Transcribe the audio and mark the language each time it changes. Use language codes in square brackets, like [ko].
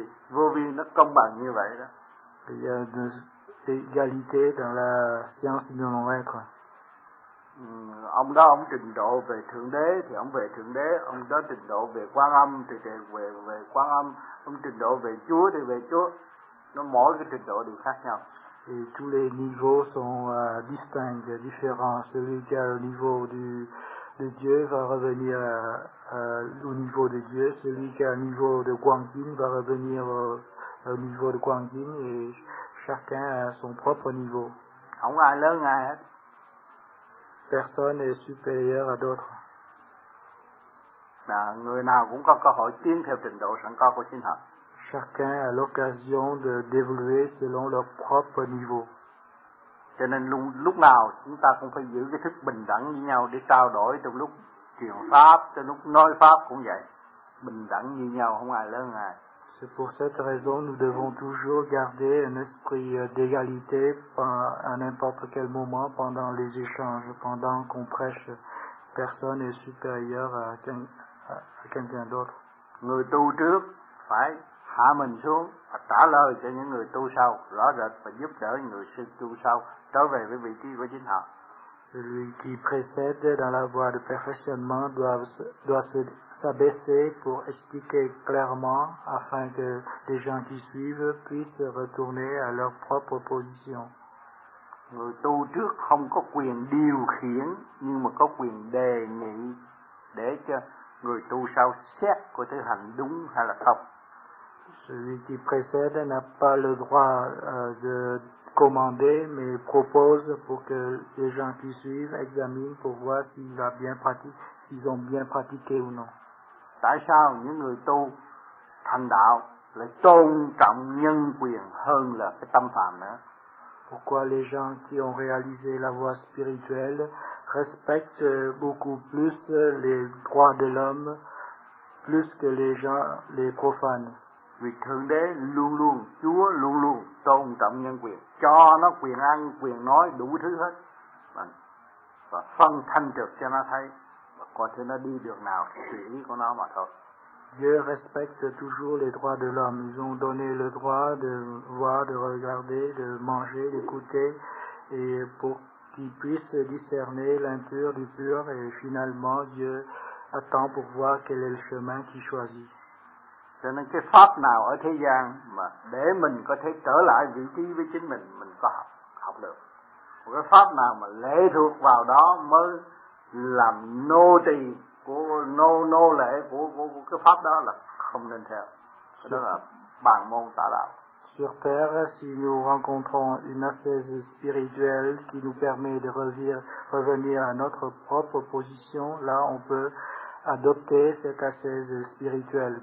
[vi] Vô vi nó công bằng như vậy đó. [fr] Il y a une égalité dans la science de non-être. [vi] Ông đó ông trình độ về thượng đế thì ông về thượng đế, ông đó trình độ về quan âm thì về quan âm, ông trình độ về chúa thì về chúa, nó mỗi cái trình độ đều khác nhau. [fr] Et tous les niveaux sont distincts, différents. Celui qui a le niveau de Dieu va revenir au niveau de Dieu. Celui qui a le niveau de Guangjin va revenir au niveau de Guangjin. Et chacun a son propre niveau. [vi] Không ai lớn ai hết. [fr] Personne n'est supérieur à d'autres. [vi] À, người nào cũng có cơ hội tiến theo trình độ sẵn có của chính họ. [fr] Chacun a l'occasion de d'évoluer selon leur propre niveau. [vi] Cho nên lúc nào chúng ta cũng phải giữ cái thức bình đẳng với nhau để trao đổi, trong lúc truyền pháp, trong lúc nói pháp cũng vậy. Bình đẳng như nhau, không ai lớn ai. [fr] C'est pour cette raison nous devons toujours garder un esprit d'égalité à n'importe quel moment pendant les échanges, pendant qu'on prêche. Personne n'est supérieur à quelqu'un d'autre. [vi] Người tu trước phải hạ mình xuống và trả lời cho những người tu sau rõ rệt và giúp đỡ người sư tu sau trở về với vị trí của chính họ. [fr] Celui qui précède dans la voie de perfectionnement doit s'abaisser pour expliquer clairement afin que les gens qui suivent puissent retourner à leur propre position. [vi] Người tu trước không có quyền điều khiển nhưng mà có quyền đề nghị để cho người tu sau xét có thể hành đúng hay là không. [fr] Celui qui précède n'a pas le droit de commander mais propose pour que les gens qui suivent examinent pour voir s'ils ont bien pratiqué ou non. [vi] Tại sao những người tu thành đạo lại tôn trọng nhân quyền hơn là cái tâm phàm nữa? [fr] Pourquoi les gens qui ont réalisé la voie spirituelle respectent beaucoup plus les droits de l'homme plus que les gens les profanes? [vi] Vì Thượng Đế luôn luôn, Chúa luôn luôn tôn trọng nhân quyền, cho nó quyền ăn, quyền nói, đủ thứ hết. Và phân thanh trực cho nó thấy, và coi thế nó đi được nào, tùy ý của nó mà thôi. [fr] Dieu respecte toujours les droits de l'homme. Ils ont donné le droit de voir, de regarder, de manger, d'écouter, et pour qu'ils puissent discerner l'impur du pur, et finalement Dieu attend pour voir quel est le chemin qu'il choisit. [vi] Cho nên cái pháp nào ở thế gian mà để mình có thể trở lại vị trí với chính mình có học được. Một cái pháp nào mà lệ thuộc vào đó mới làm nô tỳ của nô lệ của cái pháp đó là không nên theo. Cái đó là bàn môn tà đạo. [fr] Sur Terre, si nous rencontrons une ascèse spirituelle qui nous permet de revenir à notre propre position, là on peut adopter cette ascèse spirituelle.